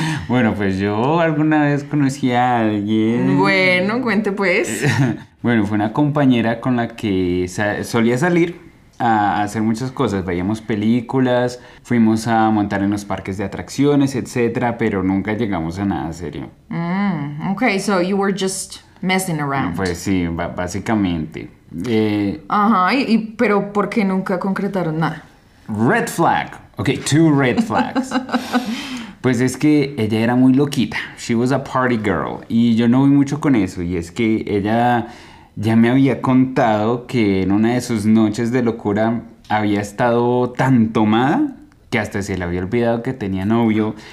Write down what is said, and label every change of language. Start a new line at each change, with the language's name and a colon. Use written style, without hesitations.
Spanish: Bueno, pues yo alguna vez conocí a alguien. Bueno, cuente pues. Bueno, fue una compañera con la que solía salir a hacer muchas cosas. Veíamos películas, fuimos a montar en los parques de atracciones, etcétera, pero nunca llegamos a nada serio.
English: Okay, so you were just messing around.
Spanish: Pues sí, básicamente. Y pero ¿por qué nunca concretaron nada?
English: Red flag. Okay, two red flags.
Spanish: Pues es que ella era muy loquita. She was a party girl. Y yo no vi mucho con eso. Y es que ella ya me había contado que en una de sus noches de locura había estado tan tomada que hasta se le había olvidado que tenía novio.